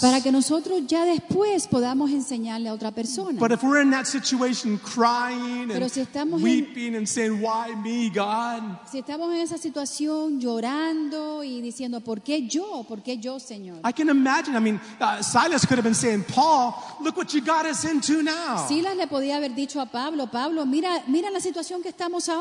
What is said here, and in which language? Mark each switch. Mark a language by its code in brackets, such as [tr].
[es] Para que nosotros ya después podamos enseñarle a otra persona. [en] But if we're in that situation crying [es] pero si [en] and weeping [es] en, [en] and saying, why me, God? [es] Si estamos en esa situación llorando y diciendo, por qué yo, Señor? [en] I can imagine, I mean, Silas could have been saying, Paul, look what you got us into now. [es] Silas le podía haber dicho a Pablo, Pablo, mira la situación que estamos